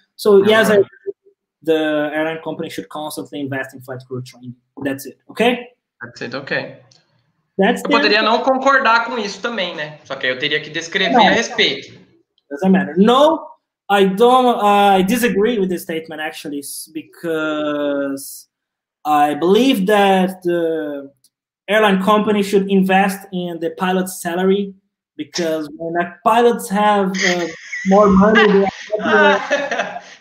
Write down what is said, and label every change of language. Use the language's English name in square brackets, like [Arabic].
[English] So yes, the airline company should constantly invest in flight crew training. That's it, okay? That's it, okay. [Portuguese] Eu poderia não concordar com isso também, né? Só que aí eu teria que descrever a respeito. [English] Doesn't matter. No, I don't. I disagree with this statement actually, because I believe that the airline company should invest in the pilot's salary, because when pilots have more money, they have